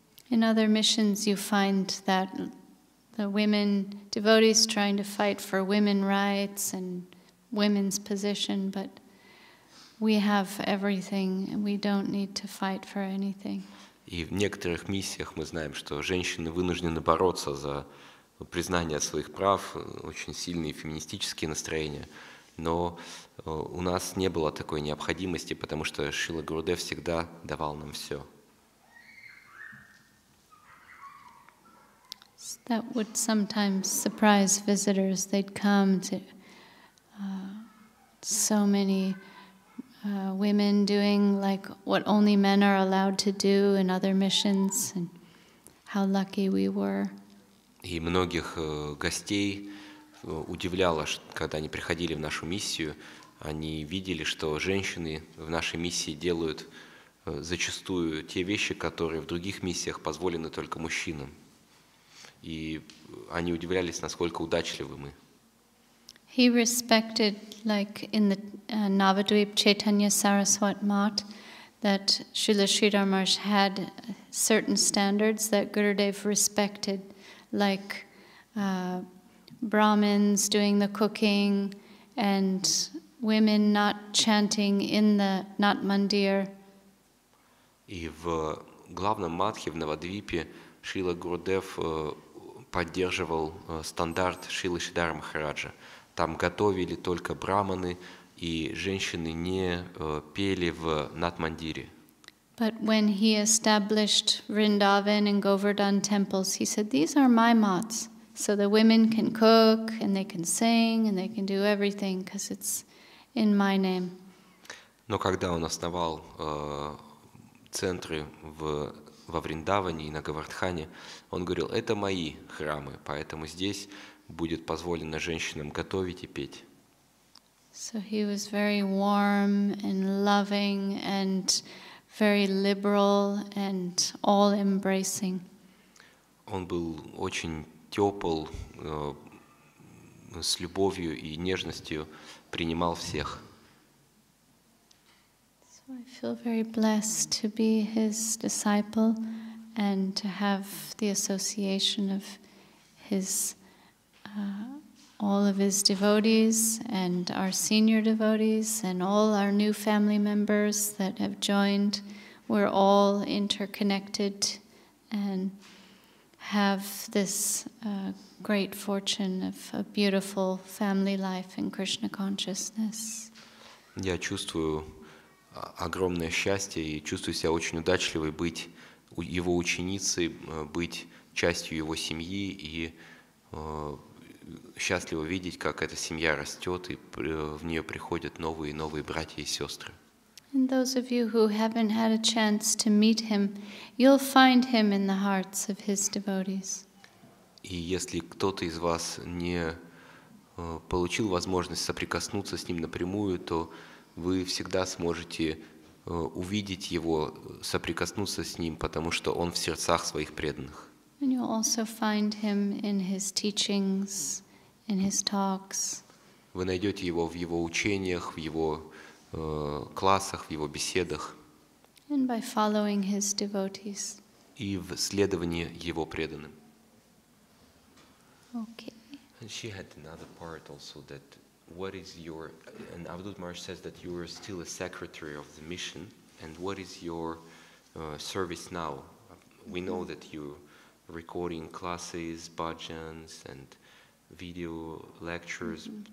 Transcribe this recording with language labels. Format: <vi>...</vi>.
<en>In other missions you find that the women devotees trying to fight for women rights and women's position, but we have everything and we don't need to fight for anything.</en> <ru>И в некоторых миссиях мы знаем, что женщины вынуждены бороться за признание своих прав, очень сильные феминистические настроения. Но у нас не было такой необходимости, потому что Шрила Гурудев всегда давал нам все.</ru> <en>That would sometimes surprise visitors. They'd come to so many women doing like what only men are allowed to do in other missions, and how lucky we were.</en> <ru>И многих гостей удивляло, когда они приходили в нашу миссию, они видели, что женщины в нашей миссии делают зачастую те вещи, которые в других миссиях позволены только мужчинам. И они удивлялись, насколько удачливы мы.</ru> <en>He respected, like in the Navadvip Chaitanya Saraswat Mat, that Srila Sridhar Maharaj had certain standards that Gurudev respected, like Brahmins doing the cooking and women not chanting in the Nat Mandir.</en> <ru>И в главном матхе в Навадвипе Шрила Гурудев поддерживал стандарт Шрилы Шридхара Махараджа. Там готовили только брахманы, и женщины не пели в Натмандире.</ru> <en>But when he established Vrindavan and Govardhan temples, he said, "These are my mats, so the women can cook and they can sing and they can do everything, because it's in my name."</en> <ru>Но когда он основал центры во Вриндаване и на Говардхане, он говорил, это мои храмы, поэтому здесь будет позволено женщинам готовить и петь.</ru> <en>So he was very warm and loving and very liberal and all-embracing.</en> <ru>Он был очень тепл, с любовью и нежностью принимал всех.</ru> <en>I feel very blessed to be his disciple and to have the association of his all of his devotees and our senior devotees and all our new family members that have joined. We're all interconnected and have this great fortune of a beautiful family life in Krishna consciousness.</en> <ru>Я чувствую огромное счастье и чувствую себя очень удачливой быть его ученицей, быть частью его семьи и счастливо видеть, как эта семья растет и в нее приходят новые и новые братья и сестры.</ru> <en>And those of you who haven't had a chance to meet him, you'll find him in the hearts of his devotees.</en> <ru>И если кто-то из вас не получил возможность соприкоснуться с ним напрямую, то вы всегда сможете увидеть его, соприкоснуться с ним, потому что он в сердцах своих преданных.</ru> <en>And you'll also find him in his teachings, in his talks.</en> <ru>Вы найдете его в его учениях, в его классах, в его беседах.</ru> <en>And by following his devotees.</en> <ru>И в следовании его преданным.</ru> <en>Okay. And she had another part also that what is your, and Avadhut Maharaj says that you are still a secretary of the mission, and what is your service now? We know that you're recording classes, bhajans, and video lectures.</en>